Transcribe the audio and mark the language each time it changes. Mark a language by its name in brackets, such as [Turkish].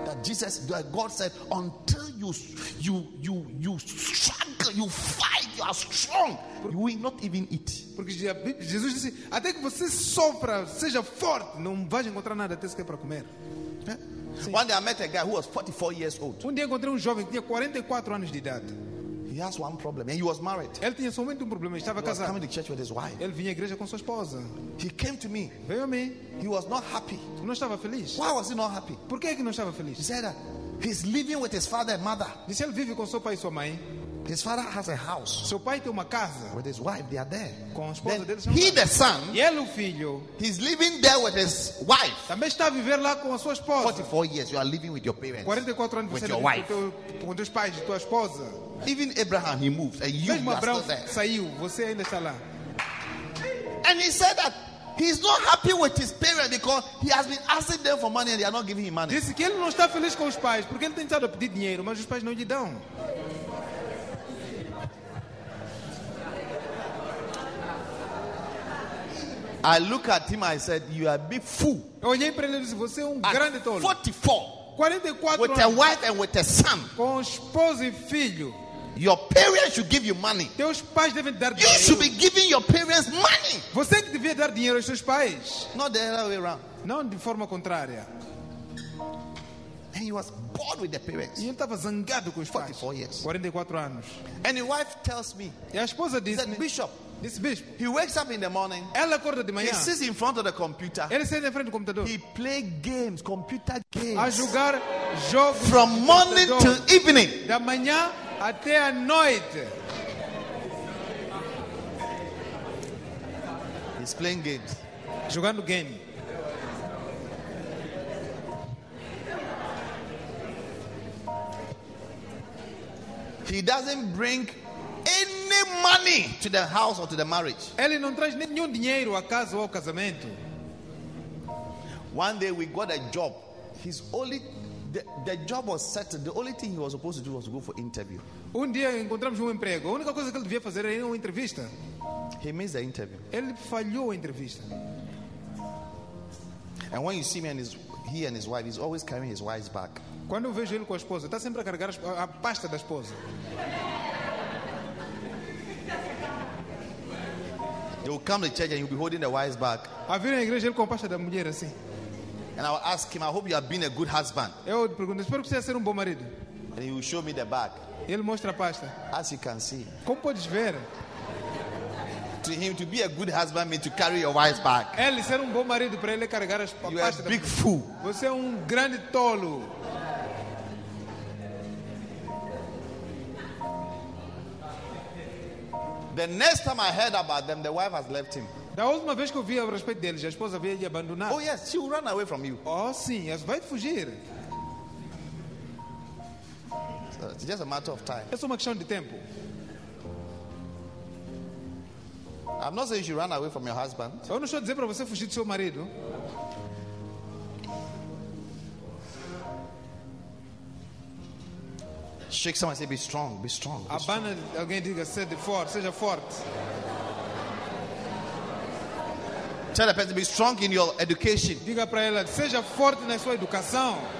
[English] That Jesus, that God said, until you struggle, you fight, you are strong, you will not even eat. [Portuguese] Porque Jesus disse, até que você sofra, seja forte, não vai encontrar nada até se quer para comer. Sim. [English] One day I met a guy who was 44 years old. [Portuguese] Um dia encontrei jovem que tinha 44 anos de idade. [English] He has one problem, and he was married. [Portuguese] Ele tinha somente problema, estava casado. [English] He was coming to church with his wife. [Portuguese] Ele vinha à igreja com sua esposa. [English] He came to me. [Portuguese] Veio a mim. [English] He was not happy. [Portuguese] Não estava feliz. [English] Why was he not happy? [Portuguese] Por que não estava feliz? [English] He said that he's living with his father and mother. [Portuguese] Diz ele vive com seu pai e sua mãe. [English] His father has a house. [Portuguese] Seu pai tem uma casa. [English] With his wife, they are there. [Portuguese] Com a esposa dele. [English] He, the son. [Portuguese] E ele o filho. [English] He's living there with his wife. [Portuguese] Também está a viver lá com a sua esposa. [English] 44 years, you are living with your parents. [Portuguese] 44 anos [English] with your wife. [Portuguese] Com teus pais e tua esposa. [English] Even Abraham, he moved, and you are still there. [Portuguese] Saiu, você ainda está lá. [English] And he said that he's not happy with his parents because he has been asking them for money and they are not giving him money. [Portuguese] Disse que ele não está feliz com os pais porque ele tem estado a pedir dinheiro, mas os pais não lhe dão. [English] I look at him. I said, "You are a big fool." [Portuguese] Eu olhei para ele e disse, "Você é grande tolo." [English] 44. [Portuguese] 44. [English] With a wife and with a son. [Portuguese] Com esposa e filho. [English] Your parents should give you money. [Portuguese] Teus pais devem dar [English] dinheiro. You should be giving your parents money. [Portuguese] Você que devia dar dinheiro aos seus pais. [English] Not the other way around. [Portuguese] Não de forma contrária. [English] And he was bored with the parents. [Portuguese] E ele estava zangado com os 44 pais. [English] Years. [Portuguese] 44 anos. [English] And his wife tells me. [Portuguese] E a esposa diz. [English] Said, Bishop. This bishop. He wakes up in the morning. [Portuguese] Ela acorda de manhã. [English] He sits in front of the computer. [Portuguese] Ele senta em frente do computador. [English] He plays games, computer games. [Portuguese] A jogar jogos. [English] From morning to evening. [Portuguese] Da manhã. Até a noite. [English] He's playing games. [Portuguese] Jogando game. [English] He doesn't bring any money to the house or to the marriage. [Portuguese] Ele não traz nenhum dinheiro à casa ou ao casamento. [English] One day we got a job. His only the job was settled. The only thing he was supposed to do was to go for interview. [Portuguese] Um dia encontramos emprego. A única coisa que ele devia fazer era uma entrevista. [English] He missed the interview. [Portuguese] Ele falhou a entrevista. [English] And when you see me and he and his wife, he's always carrying his wife's bag. [Portuguese] Quando eu vejo ele com a esposa, está sempre a carregar a pasta da esposa. [English] They will come to church and you'll be holding the wife's bag. [Portuguese] A vir na igreja ele com a pasta da mulher assim. [English] And I will ask him, I hope you have been a good husband. [Portuguese] Eu pergunto, espero que você seja bom marido. [English] And he will show me the bag. [Portuguese] Ele mostra a pasta. [English] As you can see. [Portuguese] Como podes ver? [English] To him, to be a good husband means to carry your wife's bag. [Portuguese] Ele ser bom marido para ele carregar as pastas. [English] You are a big fool. [Portuguese] Você grande tolo. [English] The next time I heard about them, the wife has left him. [Portuguese] Da última vez que eu vi a respeito deles, a esposa havia lhe abandonado. [English] Oh yes, she will run away from you. [Portuguese] Oh sim, ela vai fugir. [English] It's just a matter of time. [Portuguese] É só uma questão de tempo. [English] I'm not saying you run away from your husband. [Portuguese] Eu não estou a dizer para você fugir do seu marido. [English] Shake someone and say, be strong, be strong. [Portuguese] Abana alguém diga, seja forte, seja forte. [English] Tell the person, be strong in your education. [Portuguese] Diga para ela, seja forte na sua educação.